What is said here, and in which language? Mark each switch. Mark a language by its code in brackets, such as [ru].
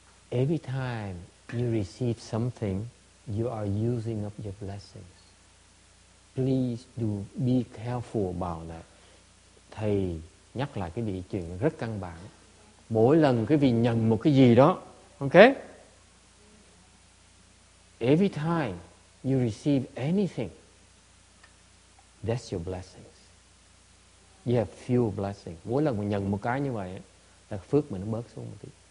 [en] Every time you receive something, you are using up your blessings. Please do be careful about that. [vi] Thầy nhắc lại cái chuyện rất căn bản. Mỗi lần quý vị nhận một cái gì đó, okay? [en] Every time you receive anything, that's your blessings. You have few blessings. [vi] Mỗi lần mà nhận một cái như vậy, là phước mình nó bớt xuống một tí.